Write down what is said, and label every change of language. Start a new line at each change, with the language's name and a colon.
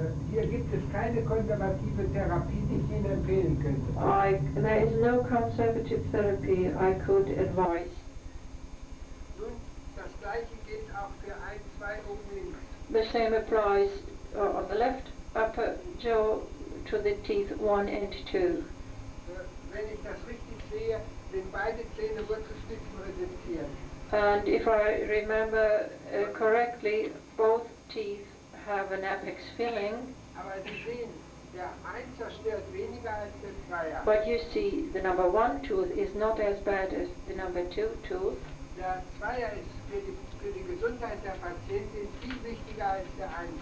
German: Hier gibt es keine konservative Therapie, die ich Ihnen empfehlen könnte.
English: There is no conservative therapy I could advise.
German: Nun, das gleiche gilt auch für ein, zwei oben links.
English: The same applies on the left upper jaw to the teeth 1 and 2.
German: Wenn ich das richtig sehe, sind beide Zähne Wurzelspitzen resistiert.
English: And if I remember correctly, both teeth have an apex filling.
German: Aber Sie sehen, der eins zerstört weniger als der Zweier.
English: But you see, the number one tooth is not as bad as the number two tooth.
German: Der Zweier ist für die Gesundheit der Patientin viel wichtiger als der eins.